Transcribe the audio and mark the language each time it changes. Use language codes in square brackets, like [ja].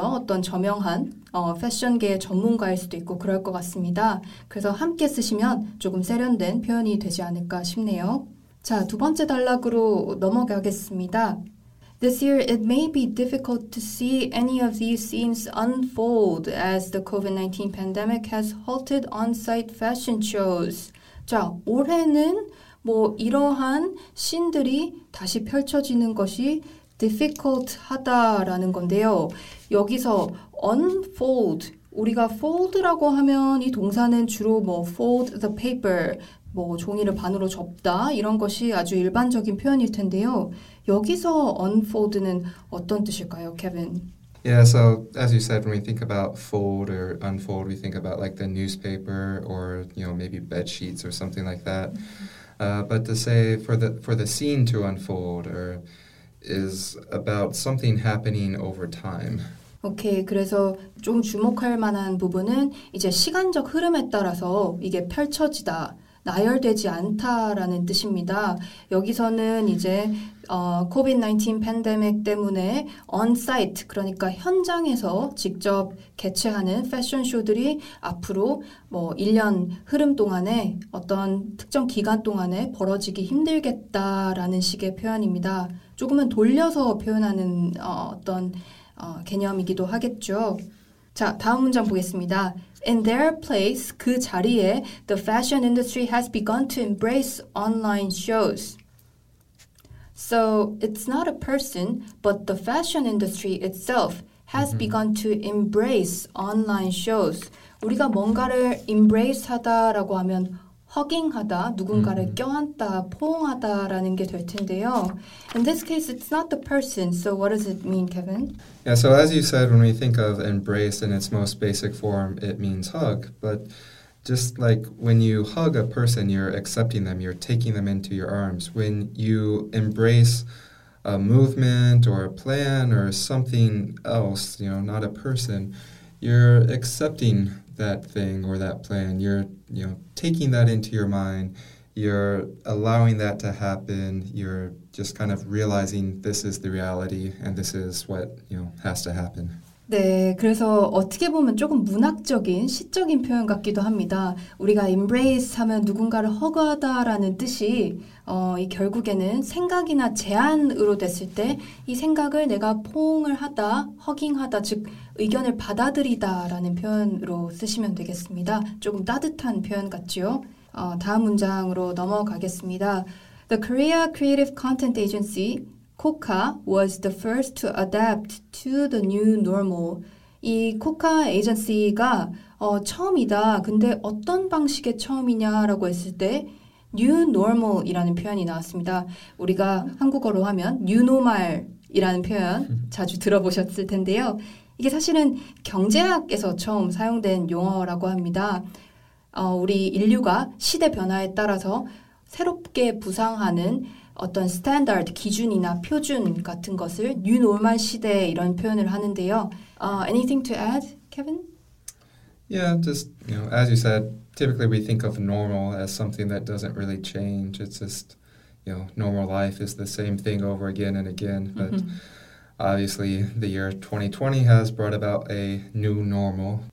[ko] 어떤 저명한 패션계의 전문가일 수도 있고 그럴 것 같습니다. 그래서 함께 쓰시면 조금 세련된 표현이 되지 않을까 싶네요. 자, 두 번째 단락으로 넘어가겠습니다. [en] This year, it may be difficult to see any of these scenes unfold as the COVID-19 pandemic has halted on-site fashion shows. [ko] 자, 올해는 뭐 이러한 씬들이 다시 펼쳐지는 것이 difficult하다라는 건데요. 여기서 unfold, 우리가 fold라고 하면 이 동사는 주로 뭐 [en] fold the paper, [ko] 뭐 종이를 반으로 접다 이런 것이 아주 일반적인 표현일 텐데요. 여기서 unfold는 어떤 뜻일까요, Kevin? [en] Yeah, so as you said, when we think about fold or unfold, we think about like the newspaper or, you know, maybe bed sheets or something like that. But to say for the scene to unfold or is about something happening over time. [ko] 오케이, 그래서 좀 주목할 만한 부분은 이제 시간적 흐름에 따라서 이게 펼쳐지다. 나열되지 않다라는 뜻입니다. 여기서는 이제 COVID-19 팬데믹 때문에 on-site, 그러니까 현장에서 직접 개최하는 패션쇼들이 앞으로 뭐 1년 흐름 동안에 어떤 특정 기간 동안에 벌어지기 힘들겠다라는 식의 표현입니다. 조금은 돌려서 표현하는 어떤 개념이기도 하겠죠. 자, 다음 문장 보겠습니다. [en] In their place, [ko] 그 자리에, [en] the fashion industry has begun to embrace online shows. So, it's not a person, but the fashion industry itself has begun to embrace online shows. [ko] 우리가 뭔가를 embrace 하다라고 하면 hugging하다, 누군가를 mm-hmm. 껴안다, 포옹하다라는 게 될 텐데요. [en] In this case, it's not the person. So what does it mean, Kevin? Yeah, so as you said, when we think of embrace in its most basic form, it means hug. But just like when you hug a person, you're accepting them, you're taking them into your arms. When you embrace a movement or a plan or something else, you know, not a person, you're accepting that thing or that plan. You're, you know, taking that into your mind. You're allowing that to happen. You're just kind of realizing this is the reality and this is what, you know, has to happen. [ko] 네, 그래서 어떻게 보면 조금 문학적인, 시적인 표현 같기도 합니다. 우리가 embrace 하면 누군가를 허그하다라는 뜻이 이 결국에는 생각이나 제안으로 됐을 때 이 생각을 내가 포옹을 하다, 허깅하다, 즉 의견을 받아들이다라는 표현으로 쓰시면 되겠습니다. 조금 따뜻한 표현 같죠? 다음 문장으로 넘어가겠습니다. [en] The Korea Creative Content Agency COCA was the first to adapt to the new normal. [ko] 이 COCA 에이전시가 처음이다. 근데 어떤 방식의 처음이냐라고 했을 때 new normal이라는 표현이 나왔습니다. 우리가 한국어로 하면 new normal이라는 표현 자주 들어보셨을 텐데요. 이게 사실은 경제학에서 처음 사용된 용어라고 합니다. 우리 인류가 시대 변화에 따라서 새롭게 부상하는 어떤 스탠다드 기준이나 표준 같은 것을 뉴 노멀 시대 이런 표현을 하는데요. [en] Anything to add, Kevin? Yeah, just, you know, as you said, typically we think of normal as something that doesn't really change. It's just, you know, normal life is the same thing over again and again. But mm-hmm. obviously the year 2020 has brought about a new normal.